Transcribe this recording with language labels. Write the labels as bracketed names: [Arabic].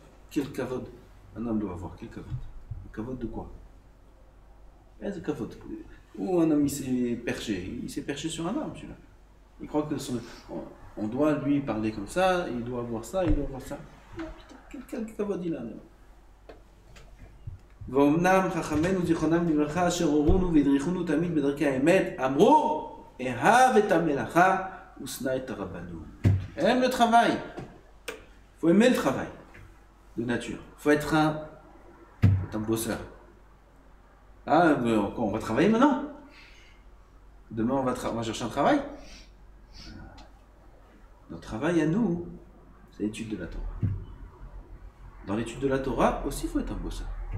[French] Quel kavod un homme doit avoir? Quel kavod? Le kavod de quoi? Le kavod. Où un homme il s'est perché? Il s'est perché sur un arbre, celui-là. Il croit que on doit lui parler comme ça, il doit avoir ça, il doit avoir ça. Quel kavod il a un homme? [Hebrew] ואומנם חכמנו זיכרונם לברכה אשר הורונו והדריכונו תמיד בדרכי האמת אמרו אהב את המלאכה ושנא את הרבנות. [French] Aime le travail. Faut aimer le travail de nature. Faut être un bosseur. Ah, on va travailler maintenant. Demain on va chercher un travail. Notre travail à nous, c'est l'étude de la Torah. Dans l'étude de la Torah aussi, faut être un bosseur.